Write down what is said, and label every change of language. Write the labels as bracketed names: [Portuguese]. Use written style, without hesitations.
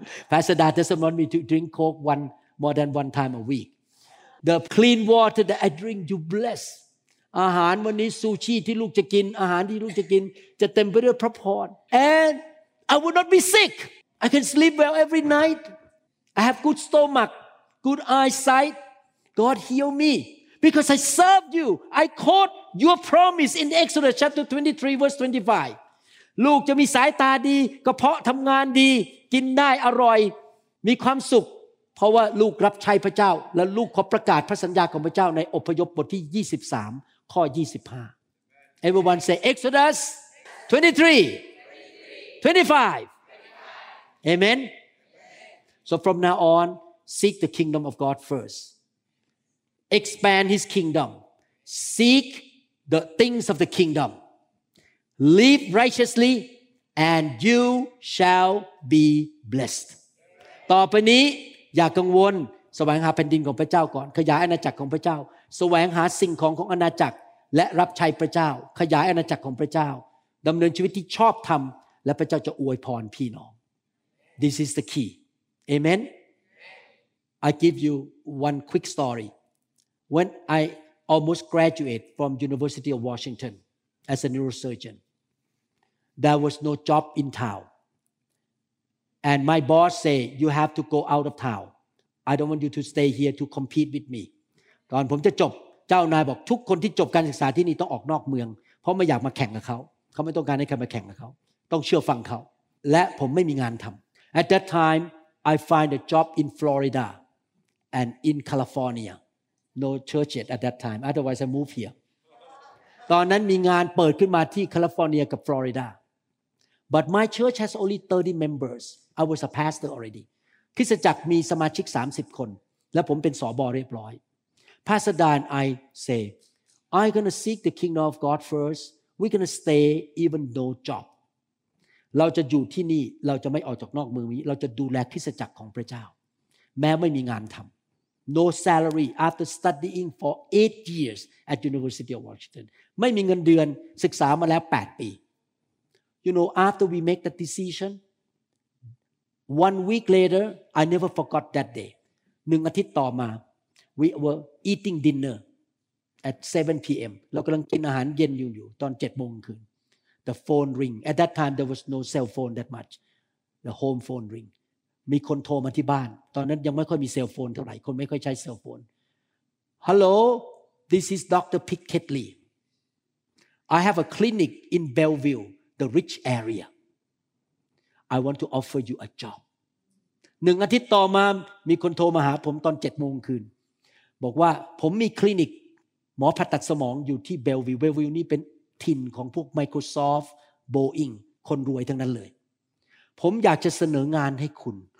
[English] Pastor Dad doesn't want me to drink coke more than one time a week. The clean water that I drink, you bless. [Thai] อาหารวันนี้ซูชิที่ลูกจะกินอาหารที่ลูกจะกินจะเต็มไปด้วยพระพร [English] AndI would not be sick. I can sleep well every night. I have good stomach, good eyesight. God heal me. Because I serve you. I quote your promise in Exodus chapter 23, verse 25. [Thai] ลูกจะมีสายตาดีกระเพาะทำงานดีกินได้อร่อยมีความสุขเพราะว่าลูกรับใช้พระเจ้าและลูกขอประกาศพระสัญญาของพระเจ้าในอพยพบทที่23ข้อ25. [English] Everyone say Exodus 23. 25. Amen. So from now on, seek the kingdom of God first. Expand his kingdom. Seek the things of the kingdom. Live righteously and you shall be blessed. [Thai] ต่อไปนี้อย่ากังวลแสวงหาแผ่นดินของพระเจ้าก่อนขยายอาณาจักรของพระเจ้าแสวงหาสิ่งของของอาณาจักรและรับใช้พระเจ้าขยายอาณาจักรของพระเจ้าดำเนินชีวิตที่ชอบธรรมและพระเจ้าจะอวยพรพี่น้อง [English] This is the key. Amen. I give you one quick story. When I almost graduated from University of Washington as a neurosurgeon, there was no job in town. And my boss say, you have to go out of town. I don't want you to stay here to compete with me. [Thai] ก่อนผมจะจบเจ้านายบอกทุกคนที่จบการศึกษาที่นี่ต้องออกนอกเมืองเพราะไม่อยากมาแข่งกับเขาเขาไม่ต้องการให้ใครมาแข่งกับเขาต้องเชื่อฟังเขาและผมไม่มีงานทำ [English] At that time I find a job in Florida and in California no church yet at that time otherwise I move here [Thai] ตอนนั้นมีงานเปิดขึ้นมาที่แคลิฟอร์เนียกับฟลอริดา [English] but my church has only 30 members I was a pastor already [Thai] คริสตจักรมีสมาชิก30คนและผมเป็นสบเรียบร้อย [English] Pastor Dan I say I'm going to seek the kingdom of God first we're going to stay even no job [Thai] เราจะอยู่ที่นี่เราจะไม่ออกจากนอกเมืองนี้เราจะดูแลคริสตจักรของพระเจ้าแม้ไม่มีงานทำ [English] No salary after studying for 8 years at University of Washington [Thai] ไม่มีเงินเดือนศึกษามาแล้ว8ปี [English] You know after we make that decision 1 week later I never forgot that day [Thai] 1 อาทิตย์ต่อมา [English] we were eating dinner at 7 p.m. [Thai] เรากำลังกินอาหารเย็นอยู่ตอน 7 โมงคืน [English] The phone ring. At that time, there was no cell phone that much. The home phone ring. [Thai] มีคนโทรมาที่บ้านตอนนั้นยังไม่ค่อยมีเซลโฟนเท่าไหร่คนไม่ค่อยใช้เซลโฟน [English] Hello, this is Dr. Pickett Lee. I have a clinic in Bellevue, the rich area. I want to offer you a job. [Thai] หนึ่งอาทิตย์ต่อมามีคนโทรมาหาผมตอน7โมงคืนบอกว่าผมมีคลินิกหมอผ่าตัดสมองอยู่ที่ Bellevue. Bellevue นี่เป็นทินของพวก Microsoft, Boeing, คนรวยทั้งนั้นเลยผมอยากจะเสนองานให้คุณ